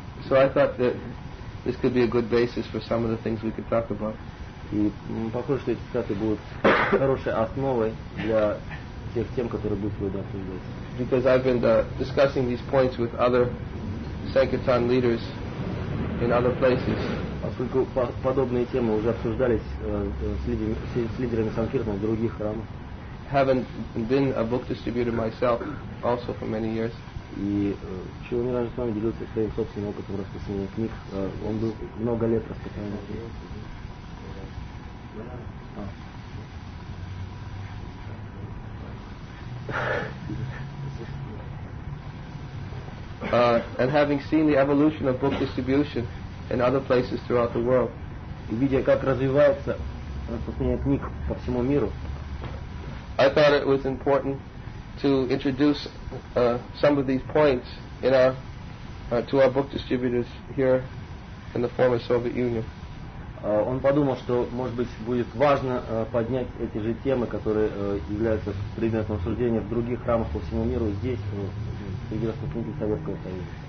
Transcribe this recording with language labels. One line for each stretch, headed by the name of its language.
English: So I thought that this could be a good basis for some of the things we could talk about.
Russian: И похоже, что эти цитаты будут хорошей основой для тех тем, которые будут сегодня обсуждаться.
English: Because I've been discussing these points with other Sankirtan leaders in other places.
Russian: Поскольку подобные темы уже обсуждались с лидерами Санкиртана в других храмах.
English: Having been a book distributor myself also for many years.
Russian: И Чилу Миранджи с вами делился своим собственным опытом распространения книг. Он был много лет распространен.
English: And having seen the evolution of book distribution in other places throughout the world,
Russian: видя как развивается распространение книг по всему миру,
English: I thought it was important to introduce some of these points in our to our book distributors here in the former Soviet Union.
Russian: Он подумал, что, может быть, будет важно поднять эти же темы, которые являются предметом обсуждения в других храмах по всему миру, здесь, среди распространителей Советского Союза.